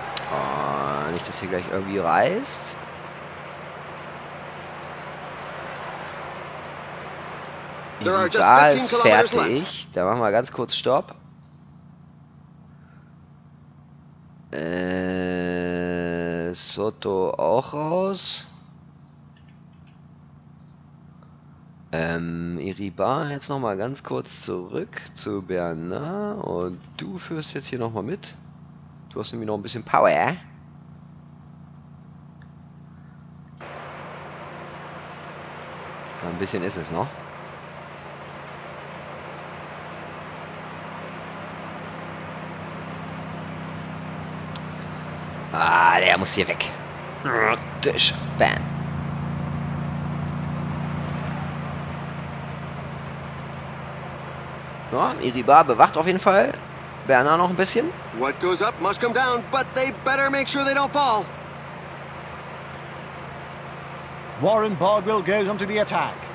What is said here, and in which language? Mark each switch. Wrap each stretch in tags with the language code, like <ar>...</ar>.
<de>Oh, nicht, dass hier gleich irgendwie reißt.</de> <en>There are just 15 kilometers left.</en> <de>Da machen wir ganz kurz Stopp. Soto auch raus. Iribar, jetzt noch mal ganz kurz zurück zu Bernard. Und du führst jetzt hier noch mal mit. Du hast nämlich noch ein bisschen Power, ja? Ein bisschen ist es noch. Ah, der muss hier weg. Tisch, bam. Ja, Iribar bewacht auf jeden Fall Bernard noch ein bisschen.</de> <en>What goes up must come down, but they better make sure they don't fall. Warren Bogwell goes on to the attack.</en>